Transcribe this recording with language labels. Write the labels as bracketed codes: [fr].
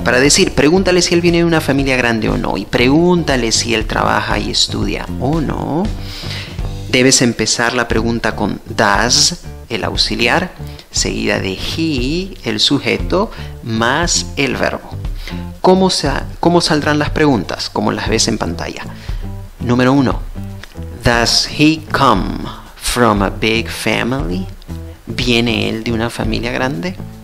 [es] Para decir, pregúntale si él viene de una familia grande o no, y pregúntale si él trabaja y estudia o no, debes empezar la pregunta con does, el auxiliar, seguida de he, el sujeto, más el verbo. ¿Cómo saldrán las preguntas? Como las ves en pantalla. Número 1. [en] Does he come from a big family? [es] ¿Viene él de una familia grande?